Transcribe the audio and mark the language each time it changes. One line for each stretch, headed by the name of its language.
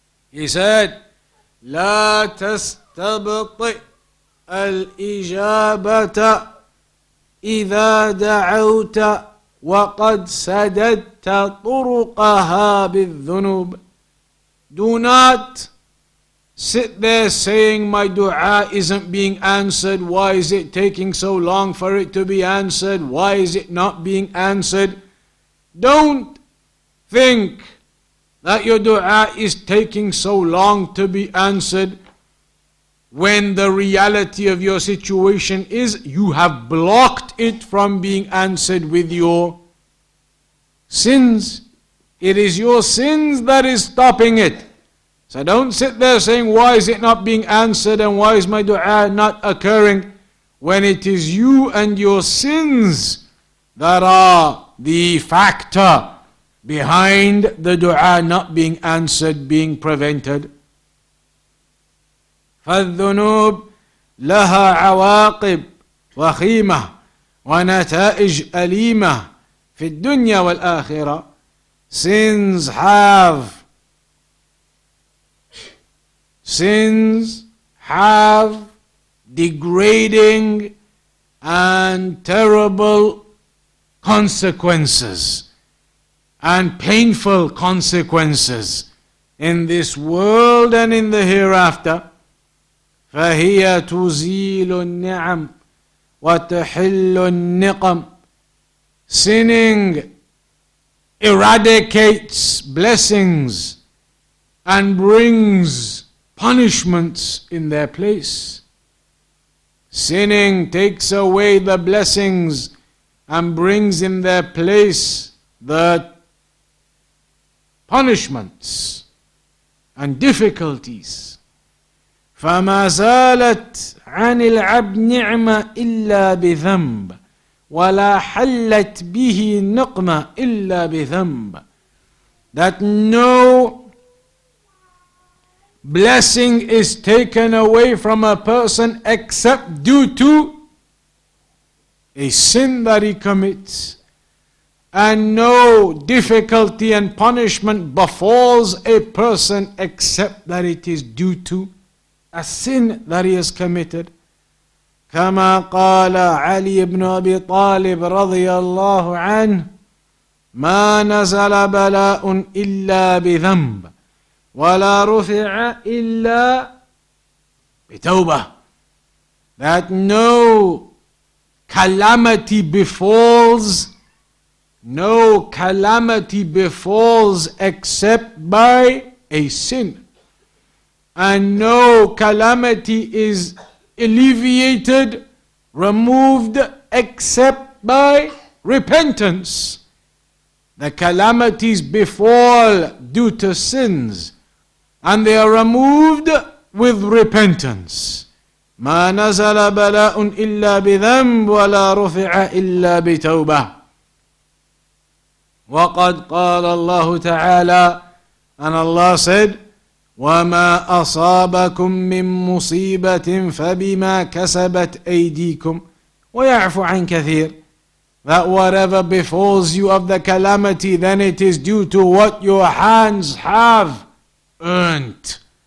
English: He said,
Arabic: لا تستبطئ الإجابة إذا دعوت وقد سددت طرقها بالذنوب.
English: Do not sit there saying my dua isn't being answered. Why is it taking so long for it to be answered? Why is it not being answered? Don't think that your dua is taking so long to be answered when the reality of your situation is you have blocked it from being answered with your sins. It is your sins that is stopping it. So don't sit there saying, why is it not being answered and why is my dua not occurring, when it is you and your sins that are the factor behind the dua not being answered, being prevented.
Arabic: فالذنوب لها عواقب وخيمة ونتائج أليمة في الدنيا والآخرة.
English: Sins have degrading and terrible consequences and painful consequences in this world and in the hereafter.
Arabic: فهي تزيل النعم وتحل النقم.
English: Sinning eradicates blessings and brings punishments in their place. Sinning takes away the blessings and brings in their place the punishments and difficulties.
Arabic: فَمَا زَالَتْ عَنِ الْعَبْدِ نِعْمَةٌ إِلَّا بِذَنْبٍ وَلَا حَلَّتْ بِهِ نِقْمَةٌ إِلَّا بِذَنْبٍ.
English: That no blessing is taken away from a person except due to a sin that he commits, and no difficulty and punishment befalls a person except that it is due to a sin that he has committed.
Arabic: كما قال علي بن أبي طالب رضي الله عنه ما نزل بلاء إلا بذنب ولا رفع إلا بتوبة.
English: That no calamity befalls, except by a sin. And no calamity is alleviated, removed, except by repentance. The calamities befall due to sins, and they are removed with repentance.
Arabic: ما نزل بلاء إلا بذنب ولا رفع إلا بتوبة. وقد قال الله تعالى,
English: and Allah said,
Arabic: وما أصابكم من مصيبة فبما كسبت أيديكم ويعفو عن كثير.
English: That whatever befalls you of the calamity, then it is due to what your hands have earned.